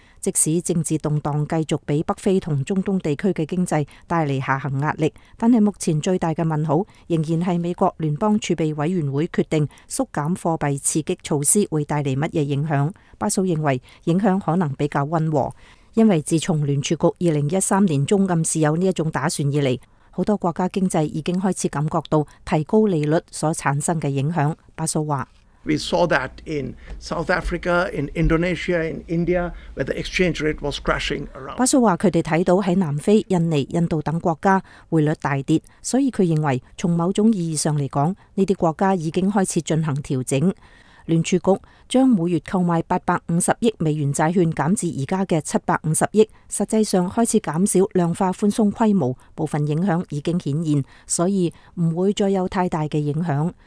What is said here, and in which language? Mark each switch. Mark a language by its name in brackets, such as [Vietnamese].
[Chinese] 即使政治动荡继续给北非和中东地区的经济带来下行压力，但是目前最大的问号仍然是美国联邦储备委员会决定缩减货币刺激措施会带来什么影响。巴苏认为影响可能比较温和，因为自从联储局2013年中暗示有这种打算以来，很多国家经济已经开始感觉到提高利率所产生的影响。巴苏说 [English] We saw that in South Africa, in Indonesia, in India, where the exchange rate was crashing around. [Chinese] 巴蘇說他們看到在南非、印尼、印度等國家匯率大跌，所以他認為從某種意義上來說，這些國家已經開始進行調整。聯儲局將每月購買$850 billion債券減至現在的$750 billion，實際上開始減少量化寬鬆規模，部分影響已經顯現，所以不會再有太大的影響。